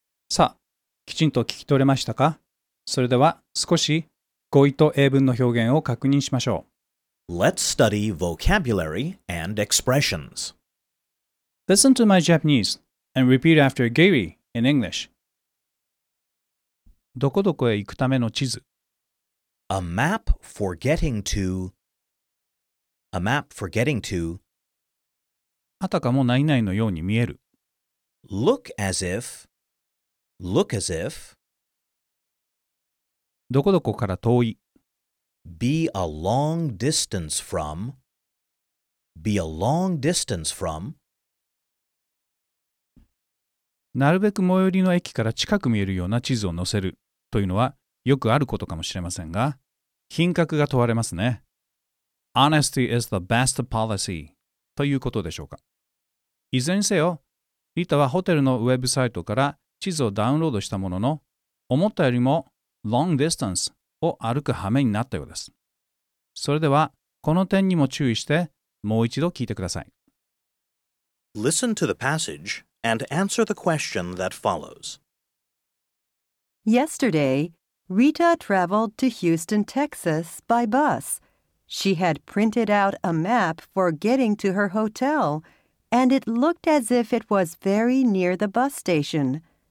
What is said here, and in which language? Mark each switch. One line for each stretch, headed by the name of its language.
Japanese: さあ、きちんと聞き取れましたか？それでは少し語彙と英文の表現を確認しましょう。
English: Let's study vocabulary and expressions. Listen to my Japanese and repeat after Gary in English.
Japanese: どこどこへ行くための地図。
English: A map for getting to. A map for getting to.
Japanese: あたかも何々のように見える。
English: Look as if. Look as if.
Japanese: どこどこから遠い。
English: Be a long distance from. Be a long distance from.
Japanese: なるべく最寄りの駅から近く見えるような地図を載せるというのはよくあることかもしれませんが、品格が問われますね。
English: Honesty is the best policy.
Japanese: ということでしょうか。いずれにせよ、リタはホテルのウェブサイトから地図をダウンロードしたものの、思ったよりも long distance を歩く羽目になったようです。それでは、この点にも注意して、もう一度聞いてください。
English: Listen to the passage and answer the question that follows. Yesterday, Rita traveled to Houston, Texas by bus. She had printed out a map for getting to her hotel, and it looked as if it was very near the bus station.